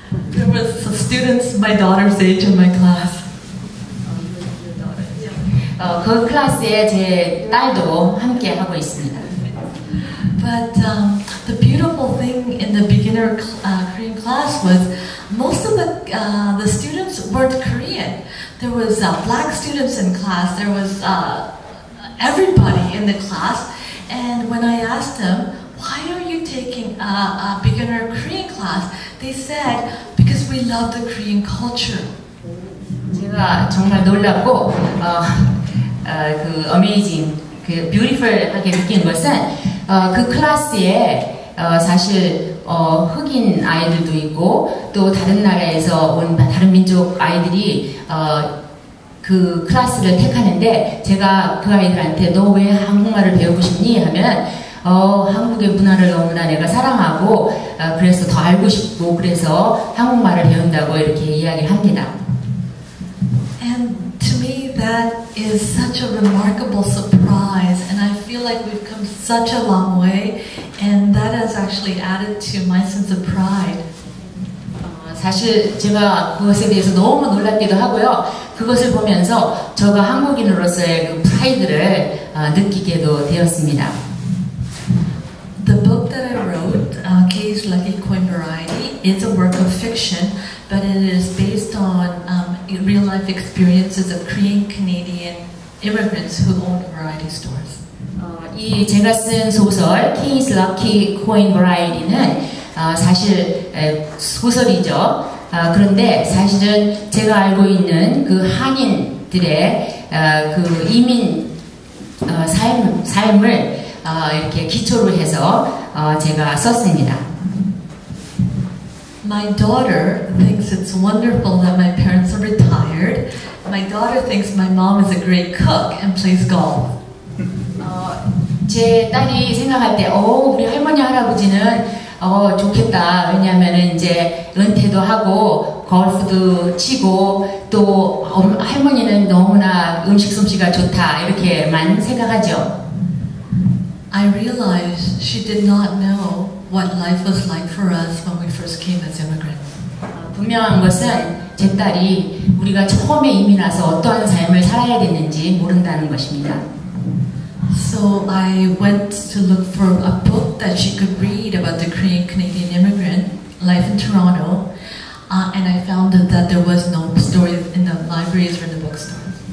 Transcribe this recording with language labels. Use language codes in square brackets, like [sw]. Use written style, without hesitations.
[en] There was some students my daughter's age in my class. [ko] 그 클래스에 제 딸도 함께 하고 있습니다. [en] But the beautiful thing in the beginner Korean class was most of the students weren't Korean. There was black students in class. There was everybody in the class. And when I asked them, why are you taking a beginner Korean class? They said, because we love the Korean culture. [ko] 제가 정말 놀랐고 그 amazing, 그 beautiful하게 느낀 것은 그 클래스에 사실 흑인 아이들도 있고 또 다른 나라에서 온 다른 민족 아이들이 그 클래스를 택하는데 제가 그 아이들한테 너 왜 한국말을 배우고 싶니? 하면 한국의 문화를 너무나 내가 사랑하고 그래서 더 알고 싶고 그래서 한국말을 배운다고 이렇게 이야기를 합니다. [en] And to me that is such a remarkable surprise and I feel like we've come such a long way and that has actually added to my sense of pride. [ko] 사실 제가 그것에 대해서 너무 놀랍기도 하고요. 그것을 보면서 제가 한국인으로서의 그 프라이드를 느끼게도 되었습니다. [en] The book that I wrote, K's Lucky Coin Variety, is a work of fiction, but it is based on real life experiences of Korean Canadian immigrants who own variety stores. [ko] 이 제가 쓴 소설 K's Lucky Coin Variety는 사실 소설이죠. 그런데 사실은 제가 알고 있는 그 한인들의 그 이민 삶을 이렇게 기초로 해서 제가 썼습니다. [en] My daughter thinks it's wonderful that my parents are retired. My daughter thinks my mom is a great cook and plays golf. [ko] 제 딸이 생각할 때, 우리 할머니 할아버지는 좋겠다. 왜냐면은 이제 은퇴도 하고 골프도 치고 또 할머니는 너무나 음식 솜씨가 좋다. 이렇게만 생각하죠. [en] I realized she did not know what life was like for us when we first came as immigrants. [ko] 분명한 것은 제 딸이 우리가 처음에 이민 와서 어떠한 삶을 살아야 되는지 모른다는 것입니다. [en] So I went to look for a book that she could read about the Korean Canadian immigrant life in Toronto, and I found that there was no story in the libraries or in the bookstores.